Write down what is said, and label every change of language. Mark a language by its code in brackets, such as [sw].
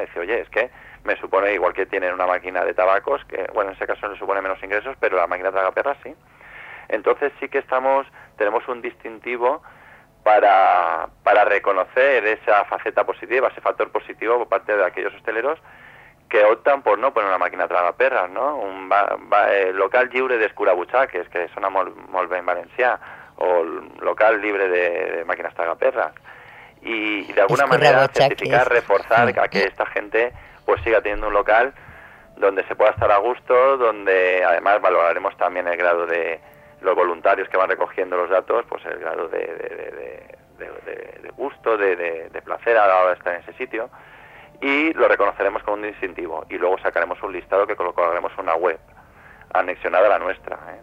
[es] Dice, oye, es que me supone, igual que tienen una máquina de tabacos, que bueno, en ese caso le supone menos ingresos, pero la máquina tragaperra sí. Entonces sí que tenemos un distintivo para reconocer esa faceta positiva, ese factor positivo por parte de aquellos hosteleros que optan por no poner una máquina tragaperra, ¿no? [ca] Un local lliure d'escurabutxaques, que sona molt bé en valencià, [es] o local libre de máquinas tragaperras. Y de alguna manera certificar, reforzar a que esta gente pues siga teniendo un local donde se pueda estar a gusto, donde además valoraremos también el grado de los voluntarios que van recogiendo los datos, pues el grado de gusto, de placer a la hora de estar en ese sitio, y lo reconoceremos con un distintivo, y luego sacaremos un listado que colocaremos en una web anexionada a la nuestra.